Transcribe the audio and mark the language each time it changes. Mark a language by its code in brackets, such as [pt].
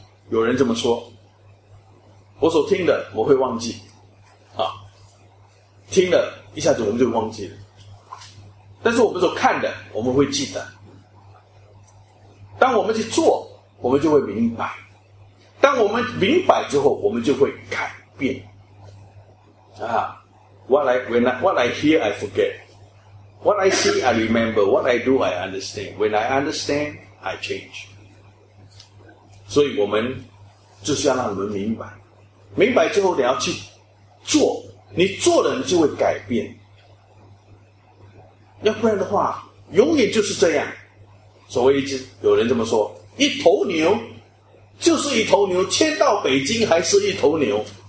[zh] 有人这么说，我所听的我会忘记啊，听了一下子我们就忘记了，但是我们所看的我们会记得，当我们去做我们就会明白，当我们明白之后我们就会改变啊。 [en] What I hear I forget What I see I remember What I do I understand When I understand I change。 [zh] 所以我们就是要让你们明白，明白之后你要去做，你做了你就会改变，要不然的话永远就是这样。所谓一只，有人这么说，一头牛就是一头牛，迁到北京还是一头牛。